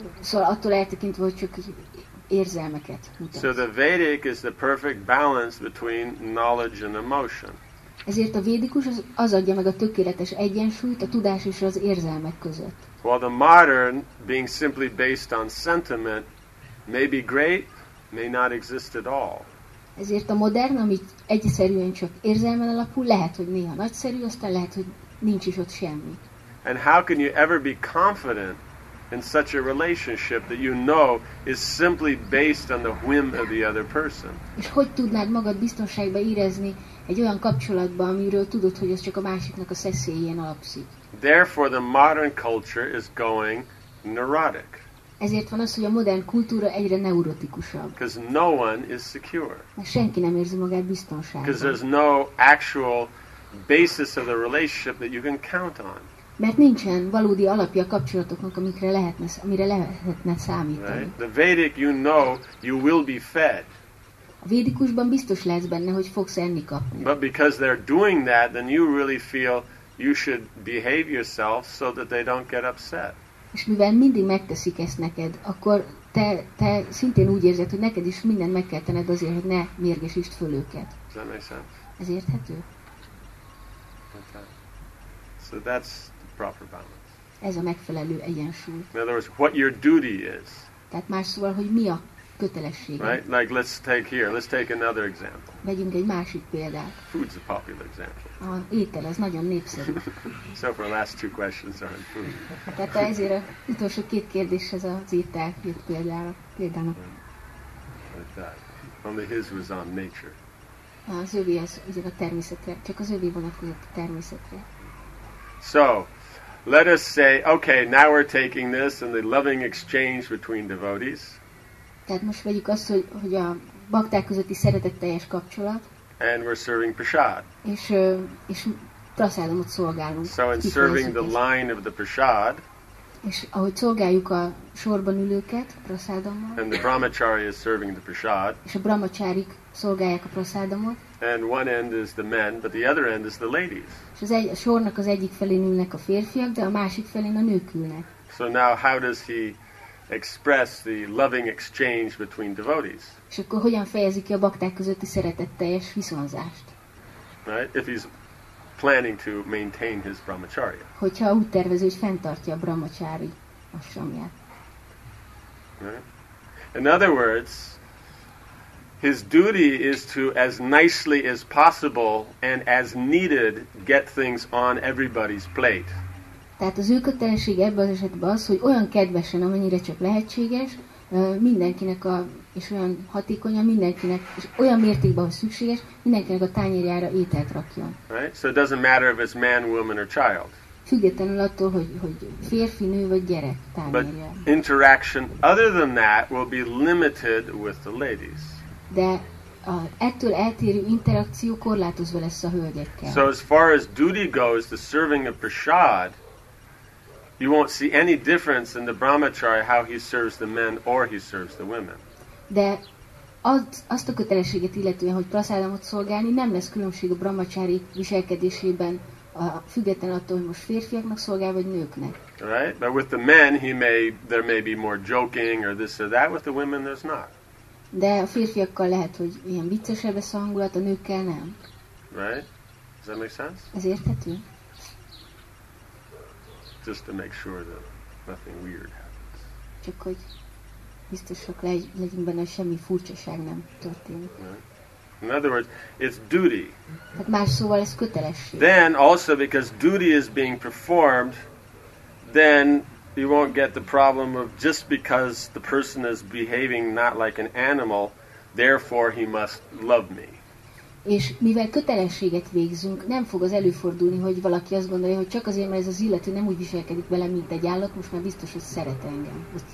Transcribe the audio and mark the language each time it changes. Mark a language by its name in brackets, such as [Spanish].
[Hungarian] Attól eltekintve, hogy csak érzelmeket mutatsz. [English] So the Vedic is the perfect balance between knowledge and emotion. [Hungarian] Ezért a védikus az adja meg a tökéletes egyensúlyt a tudás és az érzelmek között. [English] While the modern, being simply based on sentiment, may be great, may not exist at all. [Hungarian] Ezért a modern, ami egyszerűen csak érzelmen alapul, lehet, hogy néha nagyszerű, aztán lehet, hogy nincs is ott semmi. [English] And how can you ever be confident in such a relationship that you know is simply based on the whim of the other person? [Hungarian] És hogy tudnád magad biztonságban érezni egy olyan kapcsolatban, amiről tudod, hogy ez csak a másiknak a szeszélyén alapszik? [English] Therefore the modern culture is going neurotic. [Hungarian] Ezért van az, hogy a modern kultúra egyre neurotikusabb. [English] Because no one is secure. [Hungarian] Mert senki nem érzi magát biztonságban. [English] Because there's no actual basis of the relationship that you can count on. [Hungarian] Mert nincsen valódi alapja a kapcsolatoknak, amire lehetne számítani. [English] Right? The Vedic, you know, you will be fed. [Hungarian] A védikusban biztos lesz benne, hogy fogsz enni kapni. [English] But because they're doing that, then you really feel you should behave yourself so that they don't get upset. [Hungarian] És mivel mindig megteszik ezt neked, akkor te szintén úgy érzed, hogy neked is mindent meg kell tenned azért, hogy ne mérgesítsd föl őket. [English] Does that make sense? [Hungarian] Ez érthető? [English] So that's the proper balance. [Hungarian] Ez a megfelelő egyensúly. [English] In other words, what your duty is. [Hungarian] Tehát más szóval, hogy mi a kötelessége. [English] Right? Like let's take another example. [Hungarian] Vegyünk egy másik példát. [English] Food's a popular example. [Hungarian] A étel az nagyon népszerű. [English] So for the last two questions are on food. [Hungarian] Tehát ezért az utolsó két kérdés ez az étel jött példának. [English] Only his was on nature. [Hungarian] Az övé az ugye a természetre, csak az övé vonatkozott a természetre. [English] So, let us say, okay, now we're taking this and the loving exchange between devotees. [Hungarian] Tehát most vegyük azt, hogy a bakták közötti szeretetteljes kapcsolat. [English] And we're serving prasad. [Hungarian] És prasadamot szolgálunk. [English] So in serving the line of the prasad. [Hungarian] És ahogy szolgáljuk a sorban ülőket prasadammal. [English] And the brahmachari is serving the prasad. [Hungarian] És a brahmacharik szolgálják a prasadamot. [English] And one end is the men, but the other end is the ladies. [Hungarian] És a sornak az egyik felén ülnek a férfiak, de a másik felén a nők ülnek. [English] So now how does he express the loving exchange between devotees? [Hungarian] És akkor hogyan fejezi ki a bakták közötti szeretetteljes viszonzást? [English] Right? If he's planning to maintain his brahmacharya. [Hungarian] Hogyha úgy tervezi, hogy fenntartja a brahmacsári ashramját. [English] In other words, his duty is to, as nicely as possible and as needed, get things on everybody's plate. [Hungarian] Tehát az ő kötelessége ebben az esetben az, hogy olyan kedvesen, amennyire csak lehetséges, mindenkinek a, és olyan hatékonyan mindenkinek, és olyan mértékben, hogy szükséges, mindenkinek a tányérjára ételt rakjon. [English] Right? So it doesn't matter if it's man, woman or child. [Hungarian] Függetlenül attól, hogy férfi, nő vagy gyerek tányérja. [English] But interaction other than that will be limited with the ladies. [Hungarian] De ettől eltérő interakció korlátozva lesz a hölgyekkel. [English] So as far as duty goes, the serving of prasad, you won't see any difference in the brahmacharya how he serves the men or he serves the women. [Hungarian] De azt a kötelességet illetően, hogy prasadamot szolgálni, nem lesz különbség a brahmacsári viselkedésében, független attól, hogy most férfiaknak szolgál vagy nőknek. [English] Right? But with the men, there may be more joking or this or that. With the women, there's not. [Hungarian] De a férfiakkal lehet, hogy ilyen viccesebb lesz a hangulat, a nőkkel nem. [English] Right? Does that make sense? [Hungarian] Ez érthető? [English] Just to make sure that nothing weird happens. [Hungarian] Csak hogy biztosak legyünk benne, hogy semmi furcsaság nem történik. [English] In other words, it's duty. [Hungarian] Tehát más szóval ez kötelesség. [English] Then also because duty is being performed, then you won't get the problem of just because the person is behaving not like an animal, therefore he must love me. [Hungarian] És mivel kötelességet végzünk, nem fog az előfordulni, hogy valaki azt gondolja, hogy csak azért, mert ez az illető nem úgy viselkedik vele, mint egy állat, most már biztos, hogy szeret engem.